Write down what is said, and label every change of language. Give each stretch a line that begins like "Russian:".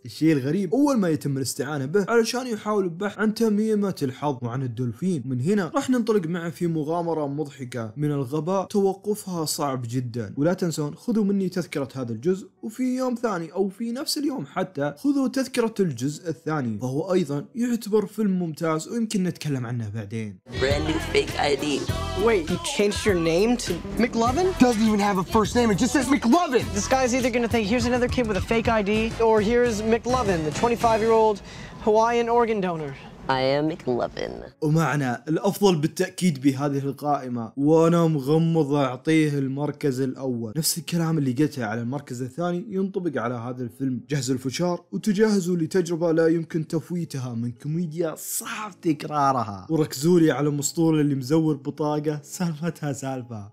Arabic: الشيء الغريب أول ما يتم الاستعانة به علشان يحاول البحث عن تميمة الحظ وعن الدولفين، من هنا راح ننطلق معه في مغامرة مضحكة من الغباء توقفها صعب جدا. ولا تنسون خذوا مني تذكرة هذا الجزء، وفي يوم ثاني أو في نفس اليوم حتى خذوا تذكرة الجزء الثاني، فهو أيضا يعتبر فيلم ممتاز ويمكن نتكلم عنه بعدين.
English: Brand new fake ID. Wait, you changed your name to McLovin? Doesn't even have a first name, it just says McLovin. This guy's either gonna think here's another kid with a fake ID or here's McLovin, the 25-year-old Hawaiian organ donor. I am McLovin.
Arabic: ومعنا الأفضل بالتأكيد بهذه القائمة وأنا مغمض أعطيه المركز الأول. نفس الكلام اللي قلته على المركز الثاني ينطبق على هذا الفيلم. جهزوا الفشار وتجهزوا لتجربة لا يمكن تفويتها من كوميديا صعب تكرارها، وركزوا لي على المسطول اللي مزور بطاقة سالفتها سالفة.